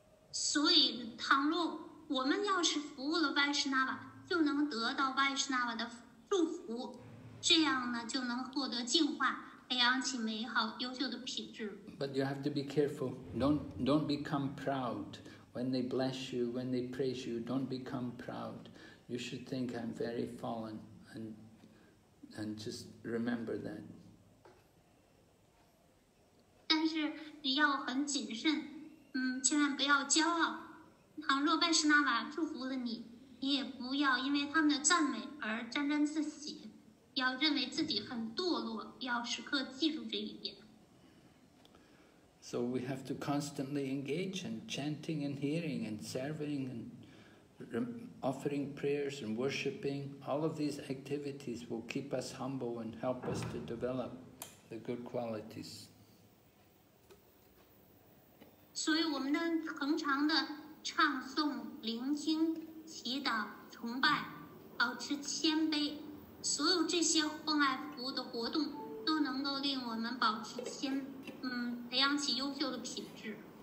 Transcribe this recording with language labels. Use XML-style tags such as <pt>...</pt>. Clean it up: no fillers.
<zh>所以，倘若我们要是服务了 Vaishnava， 就能得到 Vaishnava 的祝福，这样呢就能获得净化，培养起美好优秀的品质。</zh> <en>But you have to be careful. Don't become proud. When they bless you, when they praise you, don't become proud. You should think I'm very fallen, and just remember that.</en> <zh>但是你要很谨慎，千万不要骄傲。倘若拜师那瓦祝福了你，你也不要因为他们的赞美而沾沾自喜，要认为自己很堕落，要时刻记住这一点。</zh> <en>So we have to constantly engage in chanting and hearing and serving and offering prayers and worshipping. All of these activities will keep us humble and help us to develop the good qualities.</en> <zh>所以我们的恒常的唱诵、聆听、祈祷、崇拜，保持谦卑，所有这些奉爱服务的活动都能够令我们保持谦，培养起优秀的品质。</zh>